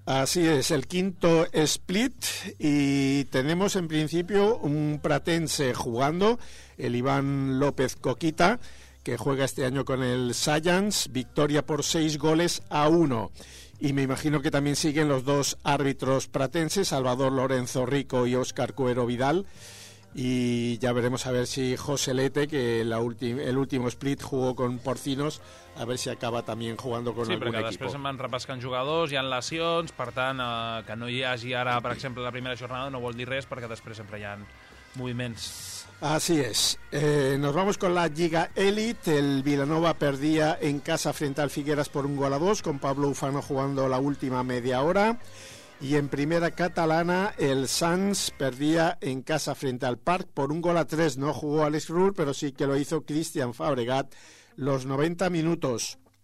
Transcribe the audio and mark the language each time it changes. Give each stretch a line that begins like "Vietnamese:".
Spanish: Así es, el quinto split, y tenemos en principio un pratense jugando, el Iván López Coquita, que juega este año con el Saiyans, victoria por 6-1. Y me imagino que también siguen los dos árbitros pratenses, Salvador Lorenzo Rico y Óscar Cuero Vidal. Y ya veremos a ver si José Lete, que el último split jugó con Porcinos, a ver si acaba también jugando con algún equipo.
Catalan: Sí, perquè després van repescant jugadors, hi ha lesions, per tant, que no hi hagi ara, per exemple, la primera jornada no vol dir res, perquè després sempre hi ha moviments.
Spanish: Así es. Nos vamos con la Lliga Elite. El Vilanova perdía en casa frente al Figueras por 1-2, con Pablo Ufano jugando la última media hora. Y en primera catalana, el Sanz perdía en casa frente al Parc por 1-3. No jugó Alex Rull, pero sí que lo hizo Cristian Fabregat los 90 minutos.